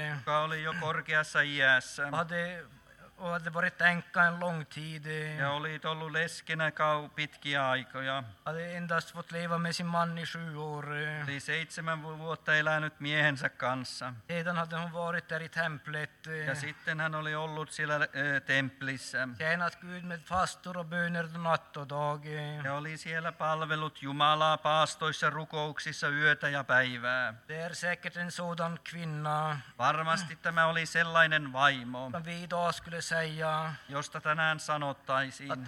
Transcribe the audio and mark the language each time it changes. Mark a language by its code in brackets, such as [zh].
[fi] Joka oli jo korkeassa iässä. [sv] Och hade varit änka en lång tid. [fi] Ja oli ollut leskenä pitkiä aikoja. [sv] Hade endast fått leva med sin man i 7 år. [fi] Eli 7 vuotta elänyt miehensä kanssa. [sv] Sedan hade hon varit där i templet. [fi] Ja sitten hän oli ollut siellä templissä. [sv] Tjänat Gud med fastor och böner natt och dag. [fi] Ja oli siellä palvellut Jumalaa paastoissa rukouksissa yötä ja päivää. [sv] Det är säkert en sådan kvinna. [fi] Varmasti tämä oli sellainen vaimo. [sv] Säga, [fi] josta tänään sanottaisiin.